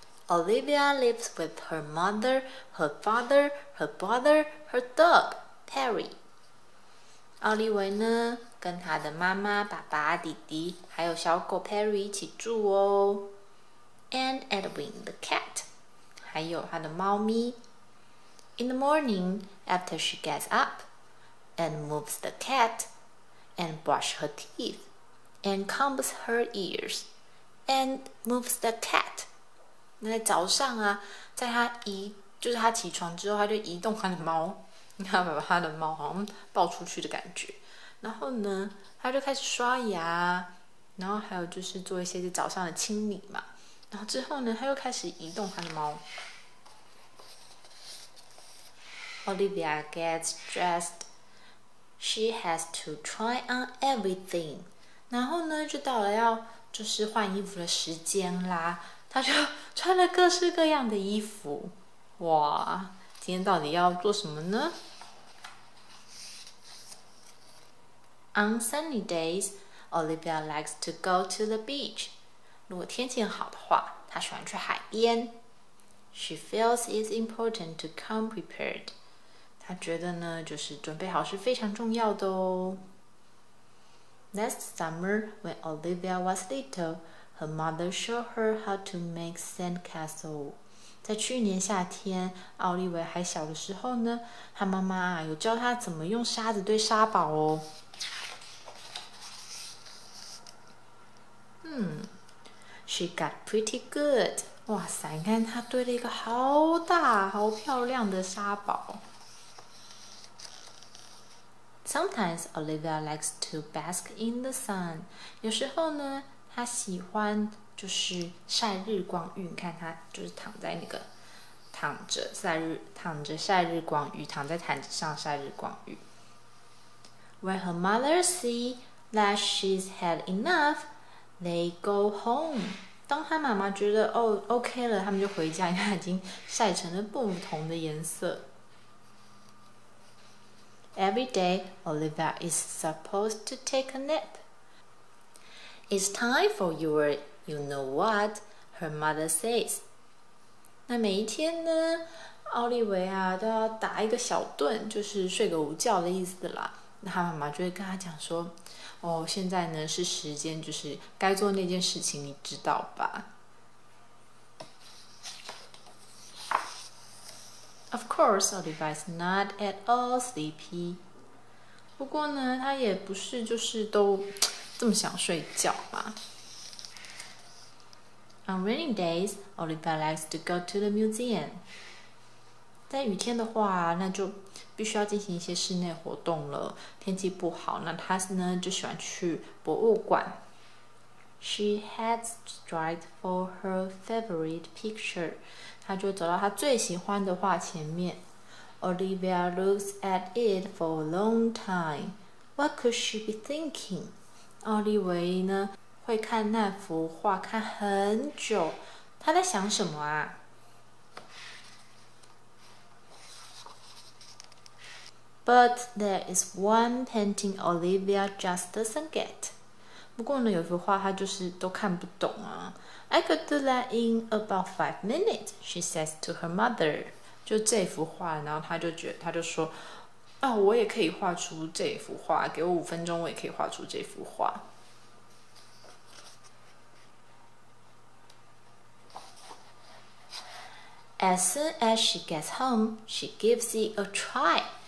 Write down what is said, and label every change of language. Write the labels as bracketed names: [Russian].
[English] Olivia lives with her mother, her father, her brother, her dog, Perry. [Chinese] 奥利维呢，跟他的妈妈、爸爸、弟弟，还有小狗 Perry 一起住哦。 [English] And Edwin, the cat. [Chinese] 还有她的猫咪。 [English] In the morning, after she gets up and moves the cat and brush her teeth and combs her ears and moves the cat. [Chinese] 那在早上啊，在她移，就是她起床之后，她就移动她的猫，你看把她的猫好像抱出去的感觉。然后呢，她就开始刷牙，然后还有就是做一些就早上的清理嘛。然后之后呢，他又开始移动他的猫。 [English] Olivia gets dressed. She has to try on everything. [Chinese] 然后呢，就到了要就是换衣服的时间啦。他就穿了各式各样的衣服。哇，今天到底要做什么呢？ [English] On sunny days, Olivia likes to go to the beach. [Chinese] 如果天气好的话，她喜欢去海边。 [English] She feels it's important to come prepared. [Chinese] 她觉得呢，就是准备好是非常重要的哦。 [English] Last summer, when Olivia was little, her mother showed her how to make sandcastle. [Chinese] 在去年夏天，奥利维还小的时候呢，她妈妈有教她怎么用沙子堆沙堡哦。 [English] She got pretty good. [Chinese] 哇塞，你看她堆了一个好大、好漂亮的沙堡。 [English] Sometimes Olivia likes to bask in the sun. [Chinese] 有时候呢，她喜欢就是晒日光浴。你看她就是躺在那个躺在毯子上晒日光浴。 [English] When her mother sees that she's had enough, they go home. [Chinese] 当他妈妈觉得哦 OK 了，他们就回家，因为他已经晒成了不同的颜色。 [English] Every day, Olivia is supposed to take a nap. It's time for your, you know what, her mother says. [Chinese] 那每一天呢，奥利维啊都要打一个小盹，就是睡个午觉的意思啦。那他妈妈就会跟他讲说，哦，现在呢是时间，就是该做那件事情，你知道吧。 [English] Of course, Olivia is not at all sleepy. [Chinese] 不过呢，他也不是就是都这么想睡觉嘛。 [English] On rainy days, Olivia likes to go to the museum. [Chinese] 在雨天的话，那就必须要进行一些室内活动了。天气不好，那她呢就喜欢去博物馆。 [English] She heads straight for her favorite picture. [Chinese] 她就走到她最喜欢的画前面。 [English] Olivia looks at it for a long time. What could she be thinking? [Chinese] 奥利维呢会看那幅画看很久，她在想什么啊？ [English] But there is one painting Olivia just doesn't get. [Chinese] 不过呢，有幅画她就是都看不懂啊。 [English] I could do that in about 5 minutes, she says to her mother. [Chinese] 就这幅画，然后她就觉得，她就说，啊，我也可以画出这幅画，给我5分钟，我也可以画出这幅画。 [English] As soon as she gets home, she gives it a try.